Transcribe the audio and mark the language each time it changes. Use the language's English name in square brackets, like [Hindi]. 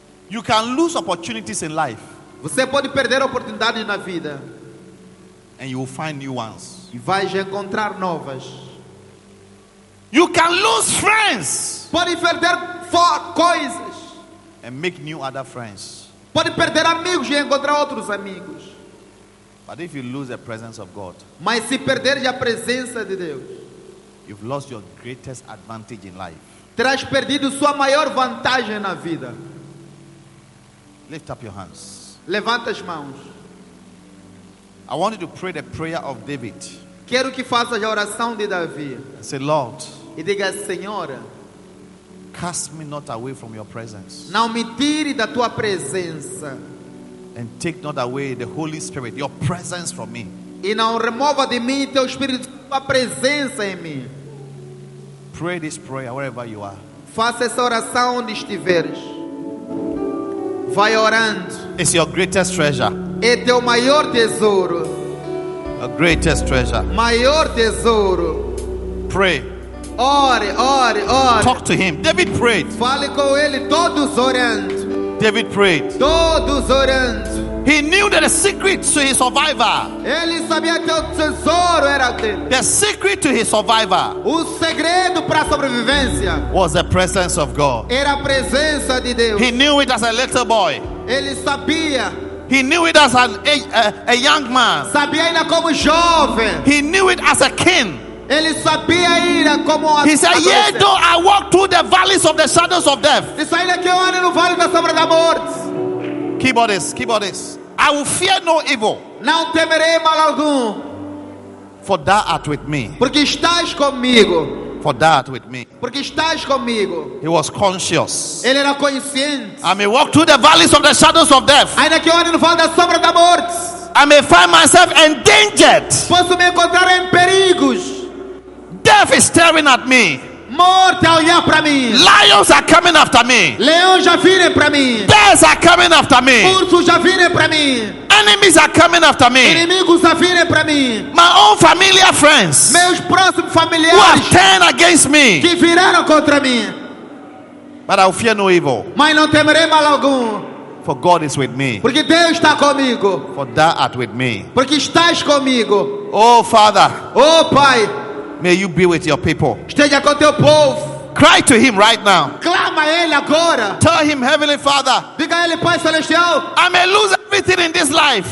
[English] You can lose opportunities in life. [Portuguese] Você pode perder oportunidades na vida. [English] And you will find new ones. [Portuguese] E vai encontrar novas. [English] You can lose friends. [Portuguese] Pode perder for coisas. [English] And make new other friends. [Portuguese] Pode perder amigos e encontrar outros amigos. [English] But if you lose the presence of God. [Portuguese] Mas se perder a presença de Deus. [English] You've lost your greatest advantage in life. [Portuguese] Terás perdido sua maior vantagem na vida. [English] Lift up your hands. [Portuguese] Levanta as mãos. [English] I want you to pray the prayer of David. [Portuguese] Quero que faças a oração de Davi. [English] Say, Lord. [Portuguese] E diga, Senhora. [English] Cast me not away from your presence. [Portuguese] Não me tire da tua presença. [English] And take not away the Holy Spirit, your presence from me. [Portuguese] E não remova de mim teu Espírito, tua presença em mim. [English] Pray this prayer wherever you are. [Portuguese] Faça essa oração onde estiveres. Vai orando. [English] It's your greatest treasure. [Portuguese] É teu maior tesouro. [English] A greatest treasure. [Portuguese] Maior tesouro. [English] Pray. [Portuguese] Ore, ore, ore. [English] Talk to him. David prayed. [Portuguese] Fale com ele todos orando. [English] David prayed. [Portuguese] Todos orando. [English] He knew that the secret to his survivor. [Portuguese] Ele sabia que o tesouro era dele. [English] The secret to his survivor. [Portuguese] O segredo para a sobrevivência. [English] Was the presence of God. [Portuguese] Era a presença de Deus. [English] He knew it as a little boy. [Portuguese] Ele sabia. [English] He knew it as a young man. [Portuguese] Sabia ainda como jovem. [English] He knew it as a king. [Portuguese] Ele sabia ainda como [English] He said, yet though I walk through the valleys of the shadows of death. [Portuguese] Ele sabia que eu ando no vale da sombra da morte. [English] Keep all this. I will fear no evil. [Portuguese] Não temerei mal algum. [English] For thou art with me. [Portuguese] Porque estás comigo. [English] For thou art with me. [Portuguese] Porque estás comigo. [English] He was conscious. [Portuguese] Ele era consciente. [English] I may walk through the valleys of the shadows of death. [Portuguese] Ainda que eu ande no vale da sombra da morte. [English] I may find myself endangered. [Portuguese] Posso me encontrar em perigos. [English] Death is staring at me. [Portuguese] Morte a olhar para mim. [English] Lions are coming after me. [Portuguese] Leões já virem para mim. [English] Bears are coming after me. [Portuguese] Ursos já virem para mim. [English] Enemies are coming after me. [Portuguese] Inimigos já virem para mim. [English] My own familiar friends. [Portuguese] Meus próximos familiares. [English] Who have turned against me. [Portuguese] Que viraram contra mim. [English] But I will fear no evil. [Portuguese] Mas não temerei mal algum. [English] For God is with me. [Portuguese] Porque Deus está comigo. [English] For thou art with me. [Portuguese] Porque estás comigo. [English] Oh Father. [Portuguese] Oh Pai. [English] May you be with your people. [Portuguese] Esteja com teu povo. [English] Cry to him right now. [Portuguese] Clama a ele agora. [English] Tell him, Heavenly Father. [Portuguese] Diga a ele, Pai Celestial. [English] I may lose everything in this life.